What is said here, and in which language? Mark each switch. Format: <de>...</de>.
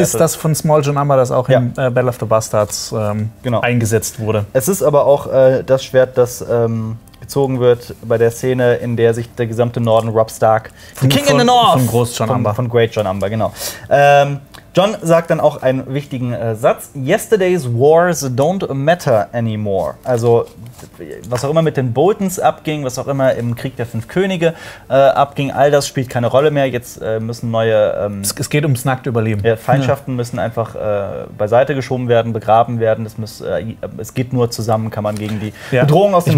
<de>Das ist das von Small John Amber, das auch im Battle of the Bastards eingesetzt wurde. Es ist aber auch das Schwert, das gezogen wird bei der Szene, in der sich der gesamte Norden, Robb Stark,</de> <en>King in the North,</en> <de>von Groß John Amber. Von Great John Amber, genau. John sagt dann auch einen wichtigen Satz.</de> <en>Yesterday's wars don't matter anymore.</en> <de>Also, was auch immer mit den Boltons abging, was auch immer im Krieg der Fünf Könige abging, all das spielt keine Rolle mehr. Jetzt müssen neue... Es geht ums nackte Überleben. Feindschaften müssen einfach beiseite geschoben werden, begraben werden. Es geht nur zusammen, kann man gegen die Bedrohung aus dem</de>